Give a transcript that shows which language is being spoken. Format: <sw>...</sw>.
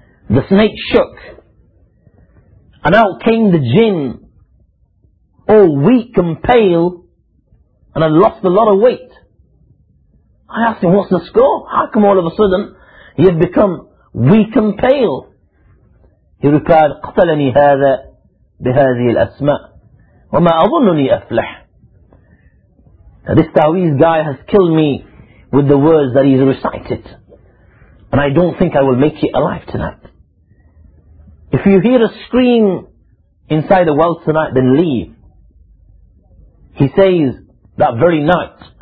<en>The snake shook, and out came the jinn, all weak and pale, and had lost a lot of weight. I asked him, what's the score? How come all of a sudden he had become weak and pale? He replied,</en> <ar>قَتَلَنِي هَذَا بِهَذِهِ الْأَسْمَاءِ وَمَا أَظُنُّنِي أَفْلَحِ.</ar> <en>Now this Taweez guy has killed me with the words that he's recited, and I don't think I will make it alive tonight. If you hear a scream inside the well tonight, then leave. He says, that very night,</en>